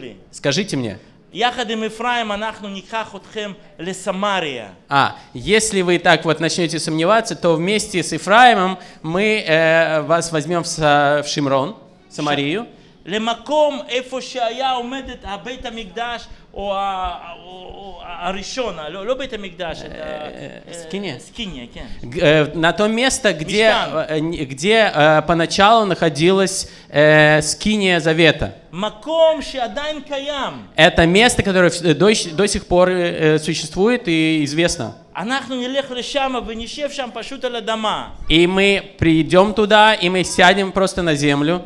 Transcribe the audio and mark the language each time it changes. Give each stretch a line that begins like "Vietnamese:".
Russian: Скажите мне. Если вы так вот начнете сомневаться, то вместе с Ефраимом мы вас возьмем в Шимрон, Самарию.
Hebrew: למקום איפה שהיה עומדת בית המקדש או הראשון, לא בית המקדש, סקיניה. סקיניה, כן.
Russian: На то место, где поначалу находилась скиния завета.
Hebrew: Маком שעדיין קיים.
Russian: Это место, которое до сих пор существует и известно.
Hebrew: אנחנו נלך לשם ונשב שם פשוט על אדמה.
Russian: И мы придем туда, и мы сядем просто на землю.